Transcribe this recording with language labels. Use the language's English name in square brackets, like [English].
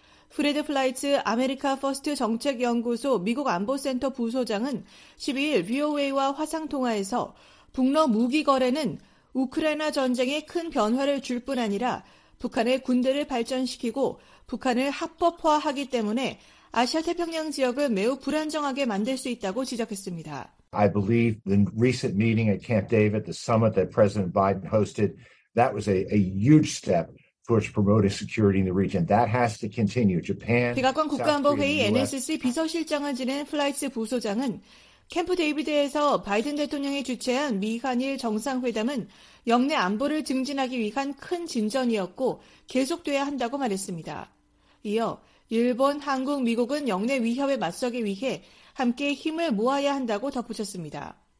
[Korean] 프레드 플라이츠 아메리카 퍼스트 정책연구소 미국 안보센터 부소장은 12일 VOA와 화상통화에서 북러 무기 거래는 우크라이나 전쟁에 큰 변화를 줄 뿐 아니라 북한의 군대를 발전시키고 북한을 합법화하기 때문에 아시아 태평양 지역을 매우 불안정하게 만들 수 있다고 지적했습니다. [English] I believe the recent meeting at Camp David, the summit that President Biden hosted, that was a huge step towards promoting security in the region. That has to continue. Japan. [Korean] 대각관 국가안보회의 NSC 비서실장을 지낸 플라이츠 부소장은 캠프 데이비드에서 바이든 대통령이 주최한 미한일 정상회담은 영내 안보를 증진하기 위한 큰 진전이었고 계속돼야 한다고 말했습니다. 이어 일본, 한국, 미국은 영내 위협에 맞서기 위해 함께 힘을 모아야 한다고 덧붙였습니다.